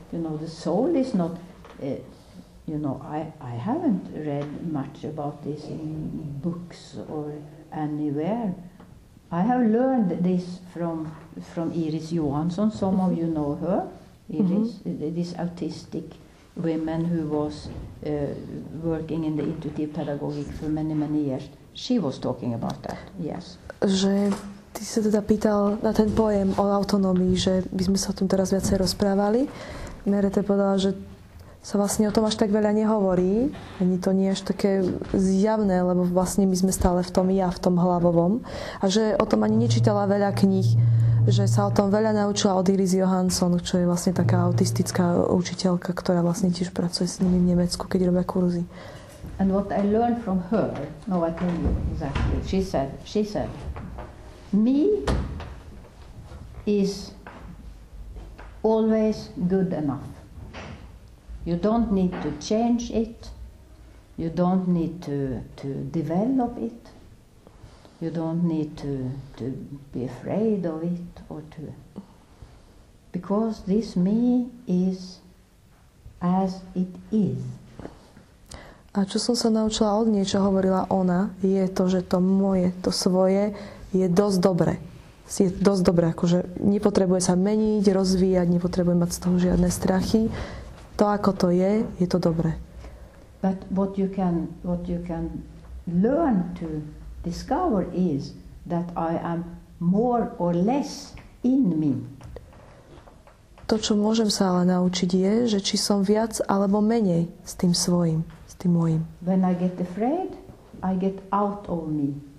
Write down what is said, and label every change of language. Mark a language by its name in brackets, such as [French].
[English] You know, the soul is not, you know, I haven't read much about this in books or anywhere. I have learned this from Iris Johansson, some of you know her, Iris, mm-hmm. this autistic woman who was working in the intuitive pedagogic for many, many years. She was talking about that, yes. [Slovak] Že ty sa teda pýtal na ten pojem o autonómii, že by sme sa o tom teraz viacej rozprávali. Merete povedala, že sa vlastne o tom až tak veľa nehovorí. Ani to nie je až také zjavné, lebo vlastne my sme stále v tom ja, v tom hlavovom. A že o tom ani nečítala veľa kníh, že sa o tom veľa naučila od Iris Johansson, čo je vlastne taká autistická učiteľka, ktorá vlastne tiež pracuje s nimi v Nemecku, keď robia kurzy. [English] And what I learned from her, no, I tell you exactly, she said, me is always good enough. You don't need to change it, you don't need to develop it, you don't need to be afraid of it or to, because this me is as it is. [Slovak] A čo som sa naučila od nej, čo hovorila ona, je to, že to moje, to svoje je dosť dobre. Je dosť dobré, akože nepotrebuje sa meniť, rozvíjať, nepotrebuje mať z toho žiadne strachy. To, ako to je, je to dobré. [English] But what you can learn to discover is that I am more or less in me. [Slovak] To, čo môžem sa ale naučiť, je, že či som viac alebo menej s tým svojím, s tým môjim. [English] When I get afraid, I get out of me.